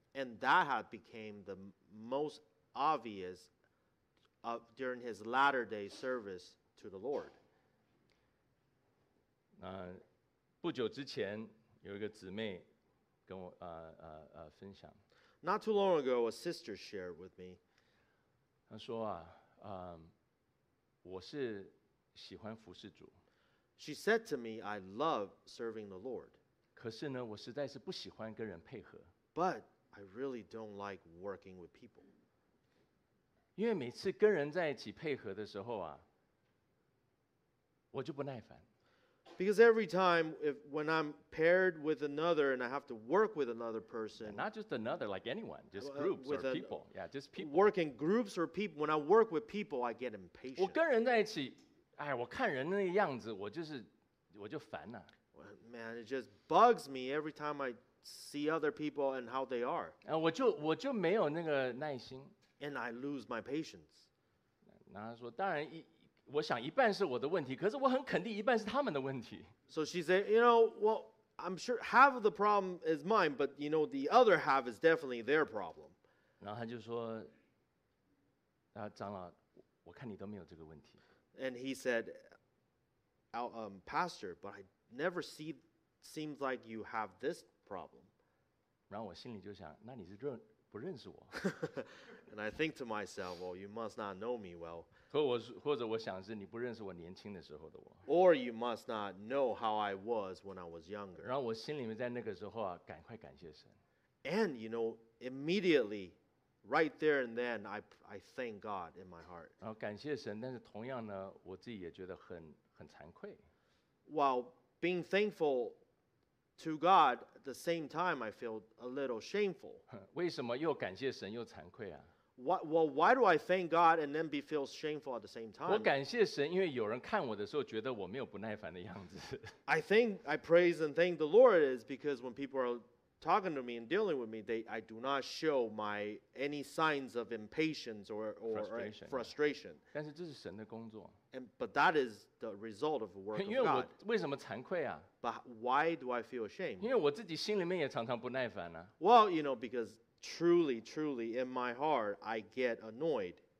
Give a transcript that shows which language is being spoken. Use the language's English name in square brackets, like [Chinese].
[English] And that had became the most obvious of during his latter day service to the Lord. [Chinese] 不久之前有一个姊妹跟我分享。 [English] Not too long ago, a sister shared with me. [Chinese] 他说我是喜欢服侍主。 [English] She said to me, I love serving the Lord. [Chinese] 可是呢，我实在是不喜欢跟人配合。 [English] But I really don't like working with people. [Chinese] 因为每次跟人在一起配合的时候啊，我就不耐烦。 [English] Because every time when I'm paired with another and I have to work with another person, and not just another, like anyone, just groups or people. Yeah, just people. Work in groups or people. When I work with people, I get impatient. [Chinese] 我跟人在一起，哎，我看人那样子，我就烦了。 [English] Man, it just bugs me every time I see other people and how they are. [Chinese] 我就没有那个耐心。 [English] And I lose my patience. [Chinese] 然后他说，当然我想一半是我的问题，可是我很肯定一半是他们的问题。 [English] So she said, you know, well, I'm sure half of the problem is mine, but you know, the other half is definitely their problem. [Chinese] 然后他就说，长老，我看你都没有这个问题。 [English] And he said, Pastor, but I never see, seems like you have this problem. [Chinese] 然后我心里就想，那你是不认识我。 [English] And I think to myself, well, you must not know me well. [Chinese] 或者我想是你不认识我年轻的时候的我。 [English] Or you must not know how I was when I was younger. [Chinese] 然后我心里面在那个时候啊，赶快感谢神。 [English] And you know, immediately, right there and then, I thank God in my heart. [Chinese] 然后感谢神，但是同样呢，我自己也觉得很惭愧。 [English] While being thankful to God, at the same time, I feel a little shameful. [Chinese] 为什么又感谢神又惭愧啊？ [English] Why do I thank God and then be feel shameful at the same time? [Chinese] 我感谢神，因为有人看我的时候觉得我没有不耐烦的样子。 [English] I praise and thank the Lord is because when people are talking to me and dealing with me, I do not show any signs of impatience or frustration. [Chinese] 但是这是神的工作。 [English] But that is the result of the work of God. [Chinese] 因为我为什么惭愧啊？ [English] But why do I feel ashamed? [Chinese] 因为我自己心里面也常常不耐烦啊。 [English] Well, you know, because truly, truly, in my heart, I get annoyed.